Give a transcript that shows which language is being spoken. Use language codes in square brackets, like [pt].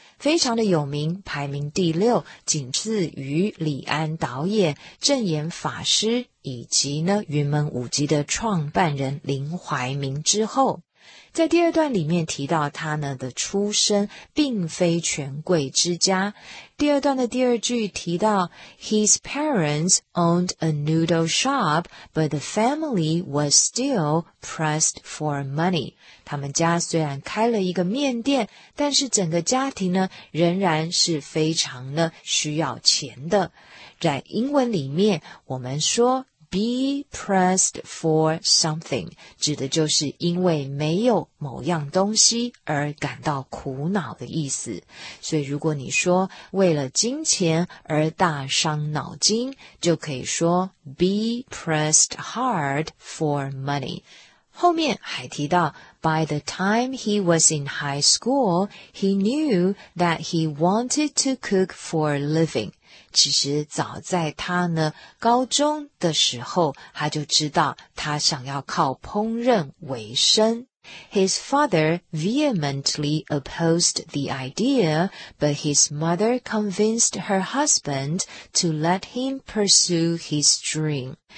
[zh] 非常的有名，排名第六，仅次于李安导演、正言法师以及呢云门舞集的创办人林怀民之后。在第二段里面提到他呢的出身并非权贵之家。第二段的第二句提到 [en] ,His parents owned a noodle shop, but the family was still pressed for money. [zh] 他们家虽然开了一个面店，但是整个家庭呢仍然是非常的需要钱的。在英文里面我们说 [en] Be pressed for something, [zh] 指的就是因为没有某样东西而感到苦恼的意思。所以如果你说为了金钱而大伤脑筋，就可以说 [en] be pressed hard for money。 [zh] 后面还提到 [en] by the time he was in high school, he knew that he wanted to cook for a living. [zh] 其实早在他呢高中的时候他就知道他想要靠烹饪为生。 [en] His father vehemently opposed the idea, but his mother convinced her husband to let him pursue his dream.